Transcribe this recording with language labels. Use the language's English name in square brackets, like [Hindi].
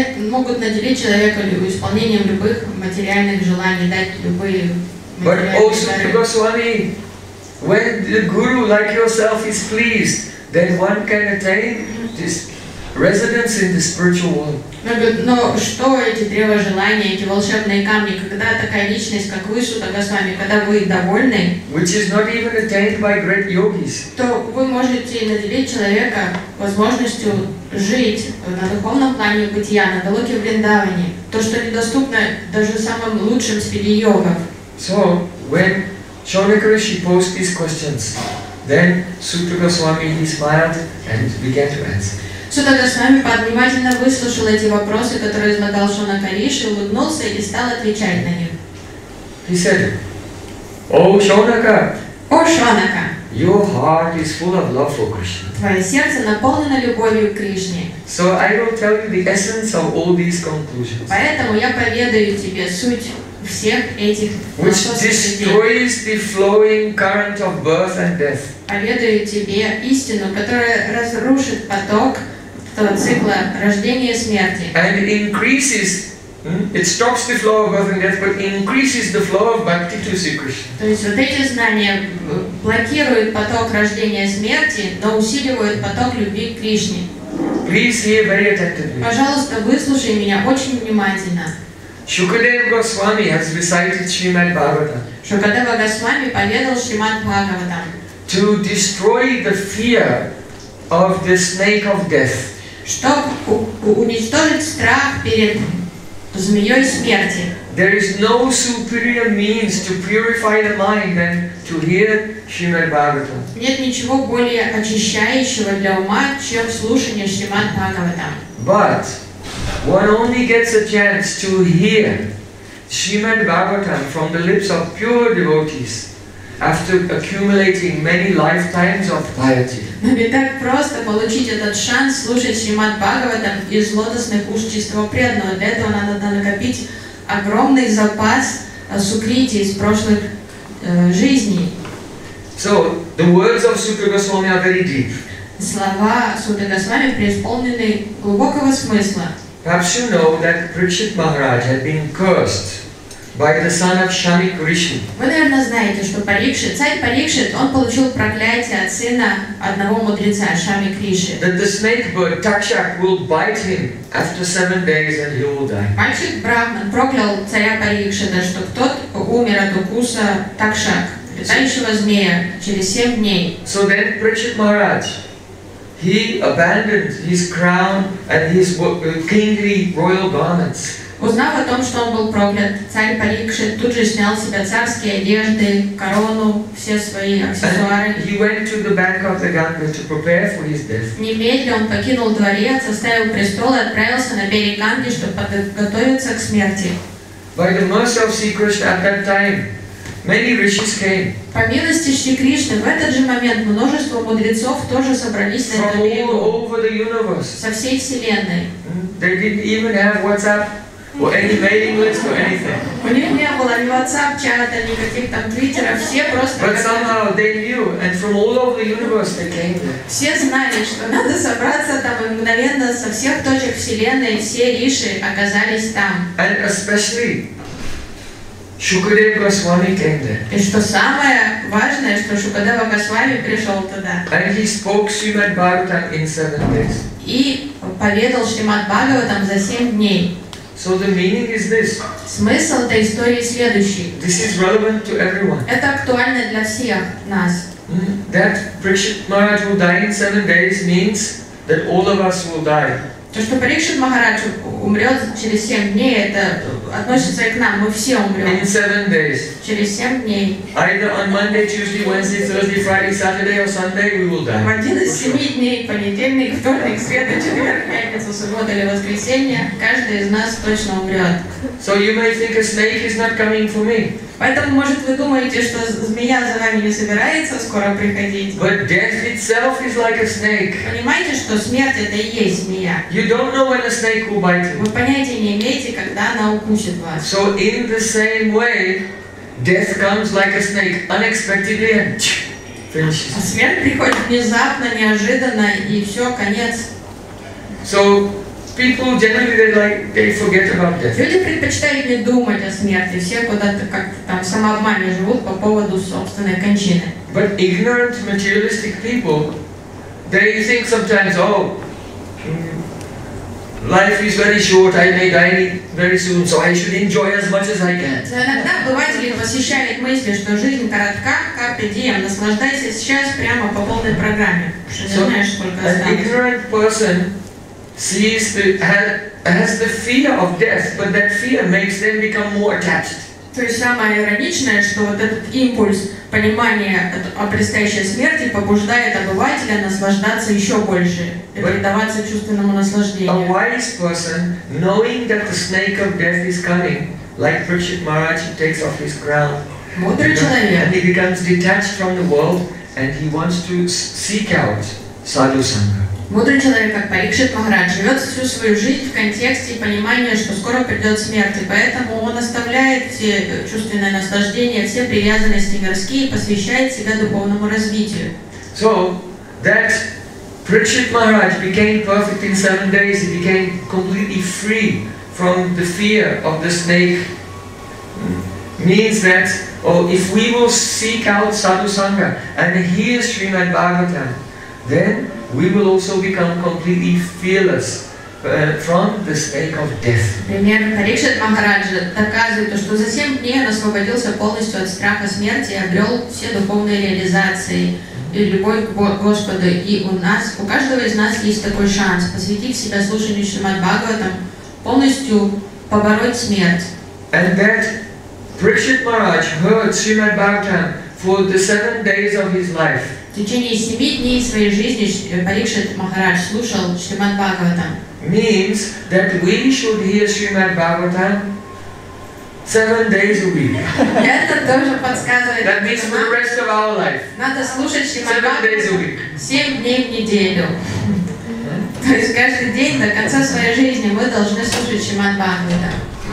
[Russian] Могут наделить человека исполнением любых материальных желаний, дать любые. [English] But also Goswami. When the guru, like yourself, is pleased, then one can attain this residence in the spiritual world. [Russian] Но что эти древа желания, эти волшебные камни, когда такая личность, как вы, Сута Госвами, когда вы довольны, [English] which is not even attained by great yogis, [Russian] то вы можете наделить человека возможностью жить на духовном плане бытия, на Галоке Вриндаване, то, что недоступно даже самым лучшим среди йогов. [English] So, when Shonaka Rishi posed these questions, then Sutta Goswami, he smiled and began to answer. [Russian] Sutta Goswami внимательно выслушал эти вопросы, которые излагал Шонака Риши, улыбнулся и стал отвечать на них. [English] He said, [Russian] О, Шонака! [English] Your heart is full of love for Krishna. [Russian] Твое сердце наполнено любовью к Кришне. [English] So I will tell you the essence of all these conclusions. [Russian] Поэтому я поведаю тебе суть всех этих [English] which destroys the flowing current of birth and death. [Russian] Поведаю тебе истину, которая разрушит поток цикла рождения и смерти. [English] And it increases, it stops the flow of birth and death, but increases the flow of bhakti to Sri Krishna. [Russian] То есть вот эти знания блокируют поток рождения и смерти, но усиливают поток любви к Кришне. [English] Please hear very attentively. [Russian] Пожалуйста, выслушай меня очень внимательно. [English] Shukadeva Goswami has recited Srimad Bhagavatam. [Russian] Shukadeva Goswami поведал Srimad Bhagavatam. [English] To destroy the fear of the snake of death. [Russian] Чтобы уничтожить страх перед змеей смерти. [English] There is no superior means to purify the mind than to hear Srimad Bhagavatam. [Russian] Нет ничего более очищающего для ума, чем слушание Srimad Bhagavatam. [English] But one only gets a chance to hear Srimad Bhagavatam from the lips of pure devotees after accumulating many lifetimes of piety. [Russian] Но не так просто получить этот шанс слушать Шримад Бхагаватам из лотосных уст чистого преданного. Для этого надо накопить огромный запас сукрити из прошлых жизней. [English] So, the words of Sutta Goswami are very deep. [Russian] слова Суды Госвами преисполнены глубокого смысла. [English] Perhaps you know that Parikshit Maharaj had been cursed by the son of Shami Krishna. [Russian] Вы, наверное, знаете, что Парикшит, царь Парикшит, он получил проклятие от сына одного мудреца, Шами Криши. [English] That the snake bird, Takshak, will bite him after 7 days and he will die. [Russian] Парикшит Брахман проклял царя Парикшита, что тот умер от укуса Такшак, летающего змея, через 7 дней. [English] So then Parikshit Maharaj, he abandoned his crown and his kingly royal garments. [Russian] Узнав о том, что он был проклят, царь Парикшит тут же снял с себя царские одежды, корону, все свои аксессуары. [English] He went to the bank of the Ganga to prepare for his death. [Russian] Немедленно он покинул дворец, оставил престол и отправился на берег Ганги, чтобы подготовиться к смерти. [English] By the mercy of Sri Krishna at that time, many rishis came. [Russian] По милости Шри Кришны в этот же момент множество мудрецов тоже собрались на этом берегу. [English] From all over the universe. [Russian] Со всей вселенной. [English] They didn't even have WhatsApp. Or any mailing list or anything. [Russian] У них не было ни WhatsApp, чата, никаких там твиттеров, все просто. [English] But somehow they knew, and from all over the universe they came there. [Russian] Все знали, что надо собраться там и мгновенно со всех точек вселенной все риши оказались там. [English] And especially Shukadeva Goswami came there. [Russian] И что самое важное, что Шукадева Госвами пришел туда. [English] And he spoke Srimad Bhagavatam in 7 days. [Russian] И поведал Шримад Бхагаватам за 7 дней. [English] So the meaning is this. [Russian] Смысл этой истории следующий. [English] This is relevant to everyone. [Russian] Это актуально для всех нас. [English] That Parikshit Maharaj will die in 7 days means that all of us will die. [Russian] То, что Парикшит Махарадж умрет через 7 дней, это относится и к нам. Мы все умрем. [English] In 7 days. [Russian] Через 7 дней. [English] Either on Monday, Tuesday, Wednesday, Thursday, Friday, Saturday or Sunday we will die. [Russian] В один из 7 дней, понедельник, вторник, среда, четверг, пятница, суббота или воскресенье, каждый из нас точно умрет. [English] So you may think a snake is not coming for me. [Russian] Поэтому, может, вы думаете, что змея за вами не собирается скоро приходить. [English] But death itself is like a snake. [Russian] Понимаете, что смерть это и есть змея. [English] You don't know when a snake will bite you. [Russian] Вы понятия не имеете, когда она укусит вас. [English] So in the same way, death comes like a snake, unexpectedly. [Russian] Смерть приходит внезапно, неожиданно, и все, конец. [English] So people generally they forget about death. [Russian] Люди предпочитают не думать о смерти. Все куда-то как там самообмане живут по поводу собственной кончины. [English] But ignorant materialistic people, they think sometimes, oh, life is very short. I may die very soon, so I should enjoy as much as I can. [Russian] Иногда обыватели посещают мысли, что жизнь коротка, карпе дием, наслаждайся сейчас прямо по полной программе. [English] An ignorant person sees the has the fear of death, but that fear makes them become more attached. [Russian] То есть самое ироничное, что вот этот импульс понимания о предстоящей смерти побуждает обывателя наслаждаться еще больше и предаваться чувственному наслаждению. [English] A wise person, knowing that the snake of death is coming, like Parikshit Maharaj, he takes off his crown. [Russian] Мудрый человек. [English] And he becomes detached from the world, and he wants to seek out sadhu sangha. [Russian] Мудрый человек, как Парикшит Махарадж, живет всю свою жизнь в контексте понимания, что скоро придет смерть, и поэтому он оставляет все чувственное наслаждение, все привязанности мирские, посвящает себя духовному развитию. [English] So that Parikshit Maharaj became perfect in 7 days, he became completely free from the fear of the snake. Means that, oh, if we will seek out Sadhu Sangha and hear Srimad Bhagavatam, then we will also become completely fearless from the snake of death. [Russian] Пример Парикшит Махараджа доказывает, что за 7 дней он освободился полностью от страха смерти и обрел все духовные реализации и любовь к Господу. И у нас, у каждого из нас есть такой шанс посвятить себя служению Шримад Бхагаватам, полностью побороть смерть. [English] And that Parikshit Maharaj heard Srimad Bhagavatam for the 7 days of his life. [Russian] В течение 7 дней своей жизни Парикшит Махарадж слушал Шримад Бхагаватам. [English] Means that we should hear Srimad Bhagavatam 7 days a week. [Russian] Это тоже подсказывает. [English] That means for the rest of our life. [Russian] Надо слушать Шримад Бхагаватам 7 дней в неделю. То есть каждый день до конца своей жизни мы должны слушать Шримад Бхагаватам.